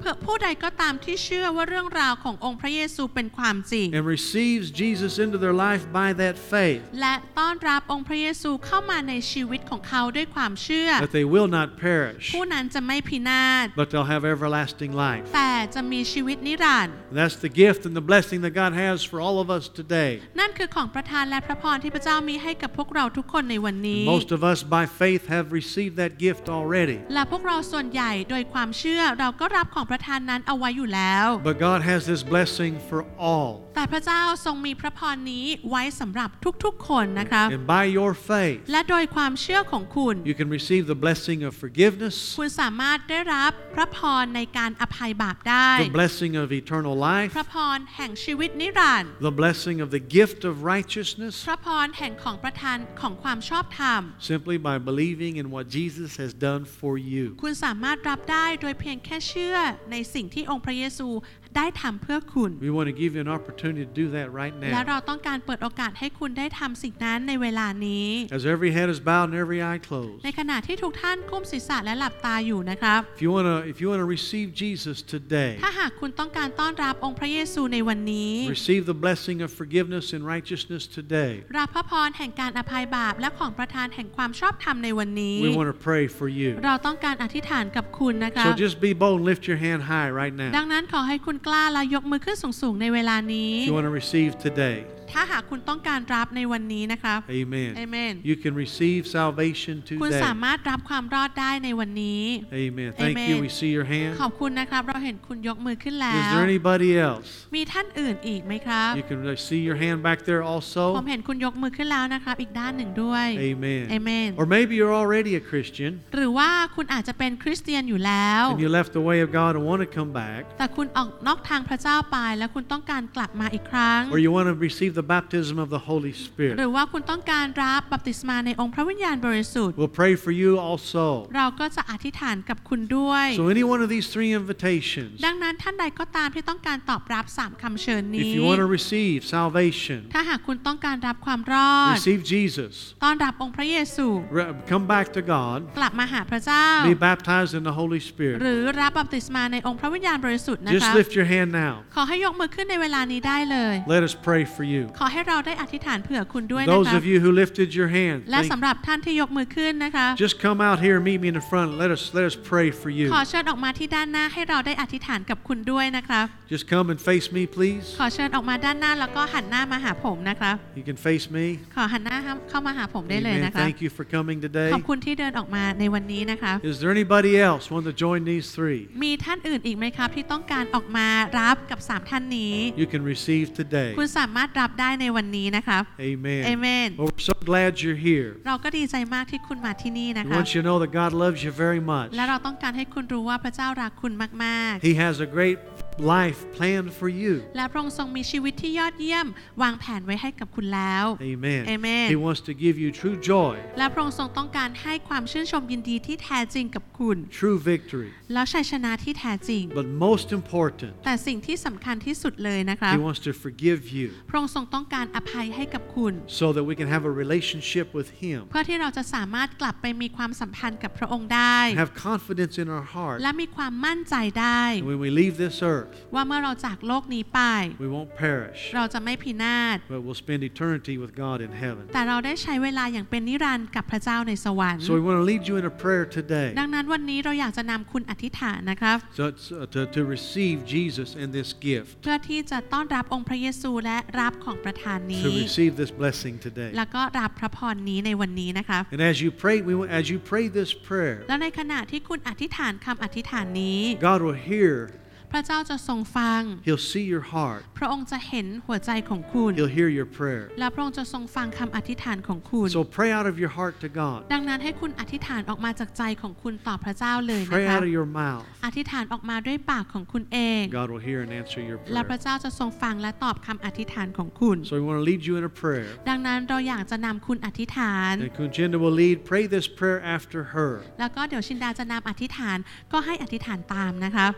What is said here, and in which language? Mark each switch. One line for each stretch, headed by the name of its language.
Thai: ผู้ใดก็ตามที่เชื่อว่าเรื่องราวขององค์พระเยซูเป็นความจริง
English: and receives Jesus into their life by that faith
Thai: และต้อนรับองค์พระเยซูเข้ามาในชีวิตของเขาด้วยความเชื่อ
English: that they will not perish
Thai: ผู้นั้นจะไม่พินาศ
English: but they'll have everlasting life
Thai: แต่จะมีชีวิตนิรันดร์
English: that's the gift and the blessing that God has for all of us today
Thai: นั่นคือของประทานและพระพรที่พระเจ้ามีให้กับพวกเราทุกคนในวันนี้
English: most of us by faith have received that gift already
Thai: และพวกเราส่วนใหญ่โดยความเชื่อเราก็รับของประทานนั้นเอาไว้อยู่แล้ว
English: but God has this blessing for all
Thai: แต่พระเจ้าทรงมีพระพรนี้ไว้สำหรับทุกๆคนนะครับ
English: And by your faith
Thai: และโดยความเชื่อของคุณ
English: You can receive the blessing of forgiveness
Thai: คุณสามารถได้รับพระพรในการอภัยบาปได้
English: The blessing of eternal life
Thai: พระพรแห่งชีวิตนิรันดร์
English: The blessing of the gift of righteousness
Thai: พระพรแห่งของประทานของความชอบธรรม
English: Simply by believing in what Jesus has done for you
Thai: คุณสามารถรับได้โดยเพียงแค่เชื่อในสิ่งที่องค์พระเยซู ได้ทำเพื่อคุณ
English: We want to give you an opportunity to do that right now
Thai: และเราต้องการเปิดโอกาสให้คุณได้ทำสิ่งนั้นในเวลานี้
English: As every head is bowed and every eye closed
Thai: ในขณะที่ทุกท่านก้มศีรษะและหลับตาอยู่นะครับ
English: If you want to receive Jesus today
Thai: ถ้าหากคุณต้องการต้อนรับองค์พระเยซูในวันนี้
English: Receive the blessing of forgiveness and righteousness today
Thai: รับพระพรแห่งการอภัยบาปและของประทานแห่งความชอบธรรมในวันนี้
English: We want to pray for you
Thai: เราต้องการอธิษฐานกับคุณนะคะ
English: So just be bold and lift your hand high right now
Thai: ดังนั้นขอให้คุณกล้าและยกมือขึ้นสูงๆในเวลานี้
English: You want to receive today
Thai: ถ้าหากคุณต้องการรับในวันนี้นะครับ
English: Amen Amen You can receive salvation today
Thai: คุณสามารถรับความรอดได้ในวันนี้
English: Amen Thank you we see your hand
Thai: ขอบคุณนะครับเราเห็นคุณยกมือขึ้นแล้ว
English: Is there anybody else
Thai: มีท่านอื่นอีกไหมครับ
English: You can see your hand back there also
Thai: ผมเห็นคุณยกมือขึ้นแล้วนะครับอีกด้านหนึ่งด้วย
English: Amen Amen Or maybe you're already a Christian
Thai: หรือว่าคุณอาจจะเป็นคริสเตียนอยู่แล้ว
English: And you left the way of God and want to come back
Thai: แต่คุณออกนอกทางพระเจ้าไปแล้วคุณต้องการกลับมาอีกครั้ง
English: Or you want to receiveThe baptism of the Holy Spirit.
Thai: หรือว่าคุณต้องการรับบัพติศมาในองค์พระวิญญาณบริสุทธิ์
English: We'll pray for you also.
Thai: เราก็จะอธิษฐานกับคุณด้วย
English: So any one of these three invitations.
Thai: ดังนั้นท่านใดก็ตามที่ต้องการตอบรับ3คำเชิญนี้
English: If you want to receive salvation.
Thai: ถ้าหากคุณต้องการรับความรอด
English: Receive Jesus.
Thai: ต้อนรับองค์พระเยซู
English: Come back to God.
Thai: กลับมาหาพระเจ้า
English: Be baptized in the Holy Spirit.
Thai: หรือรับบัพติศมาในองค์พระวิญญาณบริสุทธิ์นะคะ
English: Just lift your hand now.
Thai: ขอให้ยกมือขึ้นในเวลานี้ได้เลย
English: Let us pray for you.
Thai: ขอให้เราได้อธิษฐานเผื่อคุณด้วยนะครับ
English: Those of you who lifted your hands
Thai: และสำหรับท่านที่ยกมือขึ้นนะคะ
English: Just come out here meet me in the front let us pray for you
Thai: ขอเชิญออกมาที่ด้านหน้าให้เราได้อธิษฐานกับคุณด้วยนะครับ
English: Just come and face me please
Thai: ขอเชิญออกมาด้านหน้าแล้วก็หันหน้ามาหาผมนะครับ
English: You can face me
Thai: ขอหันหน้าเข้ามาหาผมได้เลยนะครับ
English: Thank you for coming today
Thai: ขอบคุณที่เดินออกมาในวันนี้นะครับ
English: Is there anybody else want to join these three
Thai: มีท่านอื่นอีกไหมครับที่ต้องการออกมารับกับ3ท่านนี้
English: You can receive today
Thai: คุณสามารถรับได้ในวันนี้นะครับ
English: Amen Amen well, We're so glad you're here
Thai: เราก็ดีใจมากที่คุณมาที่นี่นะคะ
English: We want you to know that God loves you very much
Thai: และเราต้องการให้คุณรู้ว่าพระเจ้ารักคุณมาก
English: ๆ He has a great life planned for you
Thai: และพระองค์ทรงมีชีวิตที่ยอดเยี่ยมวางแผนไว้ให้กับคุณแล้ว
English: Amen Amen He wants to give you true joy
Thai: และพระองค์ทรงต้องการให้ความชื่นชมยินดีที่แท้จริงกับคุณ
English: True victory
Thai: แล้วชัยชนะที่แท้จริง
English: But most important
Thai: แต่สิ่งที่สำคัญที่สุดเลยนะครับ
English: He wants to forgive you
Thai: พระองค์ทรงต้องการอภัยให้กับคุณ
English: So that we can have a relationship with Him
Thai: เพื่อที่เราจะสามารถกลับไปมีความสัมพันธ์กับพระองค์ได้
English: Have confidence in our heart
Thai: และมีความมั่นใจได้
English: When we leave this earth
Thai: ว่าเมื่อเราจากโลกนี้ไป
English: We won't perish
Thai: เราจะไม่พินาศ
English: But we'll spend eternity with God in heaven
Thai: แต่เราได้ใช้เวลาอย่างเป็นนิรันดร์กับพระเจ้าในสวรรค์
English: So we want to lead you in a prayer today
Thai: ดังนั้นวันนี้เราอยากจะนำคุณอธิษฐานนะครับ
English: to receive Jesus and this gift
Thai: เพื่อที่จะต้อนรับองค์พระเยซูและรับของประทานนี้
English: to receive this blessing today
Thai: แล้วก็รับพระพรนี้ในวันนี้นะครับ
English: And as you pray this prayer
Thai: และในขณะที่คุณอธิษฐานคำอธิษฐานนี้
English: God will hear
Thai: พระเจ้าจะทรงฟัง
English: He'll see your heart
Thai: พระองค์จะเห็นหัวใจของคุณ
English: He'll hear your prayer
Thai: และพระองค์จะทรงฟังคำอธิษฐานของคุณ
English: So pray out of your heart to God
Thai: ดังนั้นให้คุณอธิษฐานออกมาจากใจของคุณต่อพระเจ้าเลยนะคะ
English: Pray out of your mouth
Thai: อธิษฐานออกมาด้วยปากของคุณเอง
English: God will hear and answer your prayer
Thai: และพระเจ้าจะทรงฟังและตอบคำอธิษฐานของคุณ
English: So we want to lead you in a prayer
Thai: ดังนั้นเราอยากจะนำคุณอธิษฐาน
English: And Kun Jinda will lead pray this prayer after her
Thai: แล้วก็เดี๋ยวชินดาจะนำอธิษฐานก็ให้อธิษฐานตามนะคะ